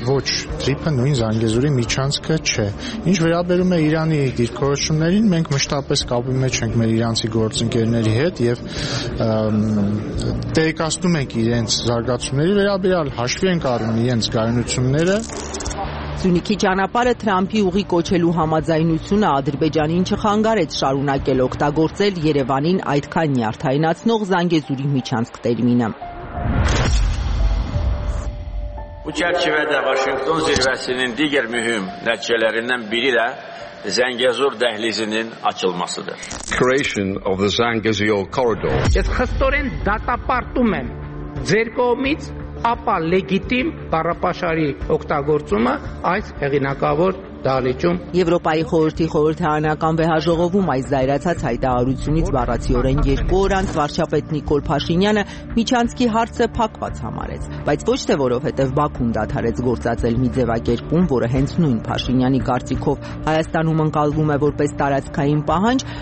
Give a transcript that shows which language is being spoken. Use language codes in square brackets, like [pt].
[hy] Ոչ, դրիփը նույն Զանգեզուրի միջանցքը չէ։ Ինչ վերաբերում է Իրանի դիրքորոշումներին, մենք մշտապես կապի մեջ ենք մեր իրանցի գործընկերների հետ եւ տեղեկացնում ենք իրենց զարգացումների վերաբերյալ, հաշվի ենք առնում իրենց գայունությունները։ Սյունիքի ճանապարհը Թրամփի ուղի կոչելու համաձայնությունը Ադրբեջանին չխանգարեց շարունակել օգտագործել Երևանին այդքան նյարդայնացնող Զանգեզուրի միջանցք տերմինը։ [tr] Bu çerçevede Washington zirvesinin diğer mühim neticelerinden biri de Zengezur dehlizinin açılmasıdır. [en] Creation of the Zangezur corridor. [hy] Ես հստորեն դատապարտում եմ ձեր կողմից ապա լեգիտիմ բառապաշարի օգտագործումը այս հեղինակավոր դահլիճում։ Եվրոպայի խորհրդի խորհրդարանական վեհաժողովում այս զայրացած հայտարարությունից բառացիորեն 2 օր անց վարչապետ Նիկոլ Փաշինյանը միջանցքի հարցը փակված համարեց, բայց ոչ թե որովհետև Բաքուն դադարեց գործածել մի ձևակերպում, որը հենց նույն Փաշինյանի կարծիքով Հայաստանում ընկալվում է որպես տարածքային պահանջ,